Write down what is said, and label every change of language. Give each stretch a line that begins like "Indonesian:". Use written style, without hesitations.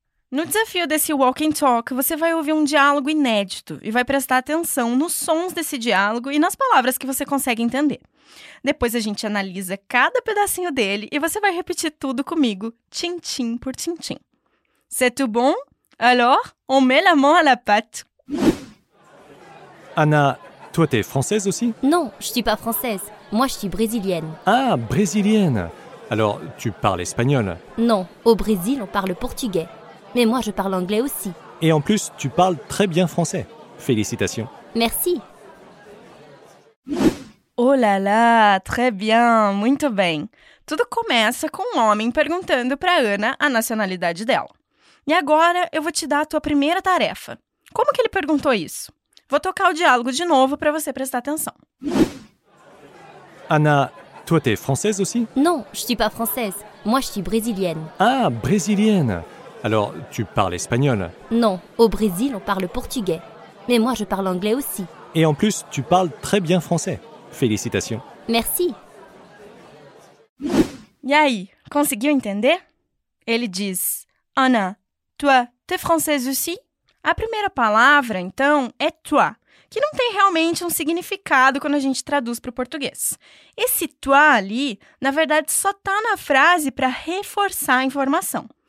Portuguese: No desafio desse Walk and Talk, você vai ouvir um diálogo inédito e vai prestar atenção nos sons desse diálogo e nas palavras que você consegue entender. Depois a gente analisa cada pedacinho dele e você vai repetir tudo comigo, tim-tim por tim-tim.
French: C'est tout bon? Alors, on met la main à la pâte. Anna, toi t'es française aussi? Non, je suis pas française. Moi, je suis brésilienne. Ah, brésilienne. Alors, tu parles espagnol? Non, au Brésil, on parle portugais. Mais moi, je parle anglais aussi. Et en plus, tu parles très bien français. Félicitations. Merci. Oh là là, très bien,
Portuguese: muito bem. Tudo começa com um homem perguntando para Ana a nacionalidade dela. E agora eu vou te dar a tua primeira tarefa. Como que ele perguntou isso? Vou tocar o diálogo de novo para você prestar atenção.
French: Ana, toi t'es française aussi? Non, je suis pas française. Moi, je suis brésilienne. Ah, brésilienne. Alors, tu parles espagnol? Non, au Brésil, on parle portugais. Mais moi, je parle anglais aussi. Et en plus, tu parles très bien français. Félicitations. Merci.
Portuguese: E aí, conseguiu entender? Ele diz,
French: Ana, toi, t'es française aussi?
Portuguese: A primeira palavra, então, é toi, que não tem realmente um significado quando a gente traduz para o português. Esse toi ali, na verdade, só está na frase para reforçar a informação.